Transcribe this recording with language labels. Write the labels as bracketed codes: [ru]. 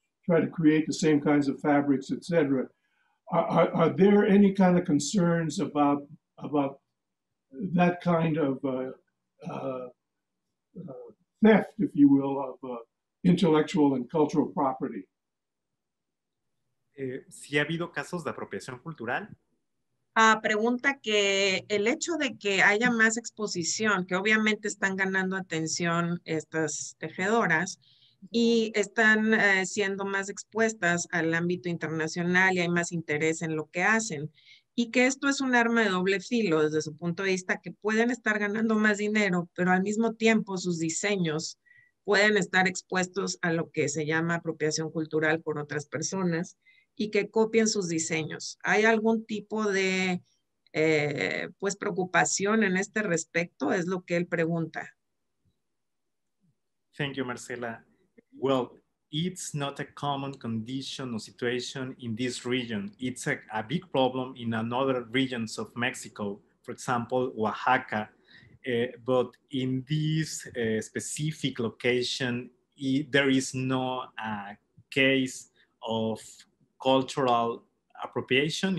[en] try to create the same kinds of fabrics, et cetera. Are there any kind of concerns about that kind of theft, if you will, of intellectual and cultural property? [es] ¿Sí ha habido casos de apropiación cultural? Pregunta que el hecho de que haya más exposición, que obviamente están ganando atención estas tejedoras y están siendo más expuestas al ámbito internacional y hay más interés en lo que hacen. Y que esto es un arma de doble filo desde su punto de vista, que pueden estar ganando más dinero, pero al mismo tiempo sus diseños pueden estar expuestos a lo que se llama apropiación cultural por otras personas y que copien sus diseños. ¿Hay algún tipo de pues preocupación en este respecto? Es lo que él pregunta. [en] Thank you, Marcela. Well, it's not a common condition or situation in this region. It's a big problem in another regions of Mexico, for example, Oaxaca. But in this specific location, there is no case of cultural appropriation.